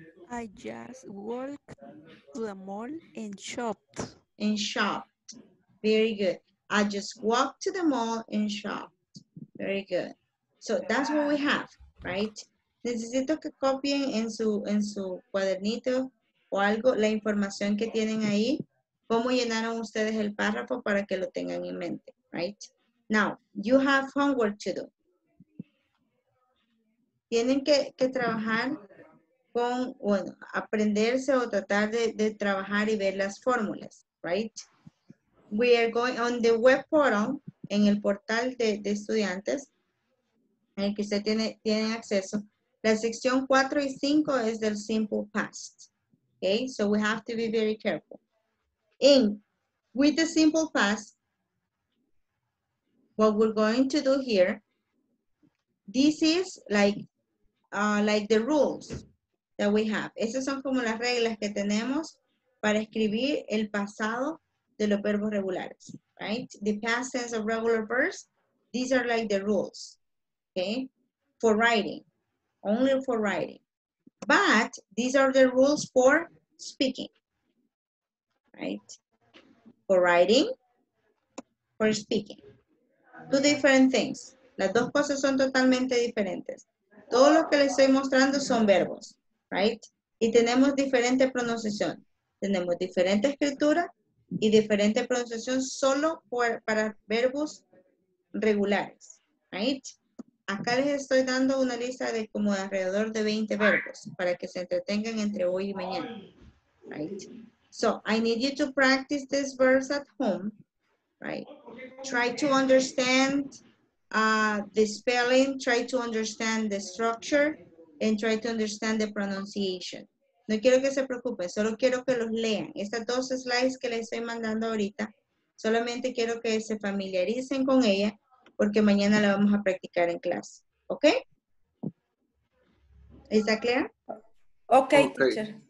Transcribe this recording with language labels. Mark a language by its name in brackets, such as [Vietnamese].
[English] I just walked to the mall and shopped. Very good. I just walked to the mall and shopped. Very good. So that's what we have, right? [Spanish] Necesito que copien en su cuadernito o algo la información que tienen ahí. ¿Cómo llenaron ustedes el párrafo para que lo tengan en mente, right? [English] Now, you have homework to do. [Spanish] Tienen que trabajar con, bueno, aprenderse o tratar de trabajar y ver las fórmulas, right? [English] We are going on the web portal, [Spanish] en el portal de estudiantes, en el que usted tiene acceso. La sección 4 y 5 es del simple past, okay? [English] So we have to be very careful. With the simple past, what we're going to do here, this is like the rules that we have. [Spanish] Esas son como las reglas que tenemos para escribir el pasado de los verbos regulares, right? [English] The past tense of regular verbs, these are like the rules, okay? For writing, only for writing. But these are the rules for speaking, right? For writing, for speaking. Two different things. [Spanish] Las dos cosas son totalmente diferentes. todo lo que les estoy mostrando son verbos, right? Y tenemos diferente pronunciación. Tenemos diferente escritura y diferente pronunciación solo para verbos regulares, right? Acá les estoy dando una lista de como alrededor de 20 verbos para que se entretengan entre hoy y mañana, right? [English] So, I need you to practice this verse at home, right? Try to understand the spelling, try to understand the structure, and try to understand the pronunciation. [Spanish] No quiero que se preocupen, solo quiero que los lean. Estas dos slides que les estoy mandando ahorita, solamente quiero que se familiaricen con ella, porque mañana la vamos a practicar en clase. ¿Ok? ¿Está clara? [English] Ok, okay. Teacher.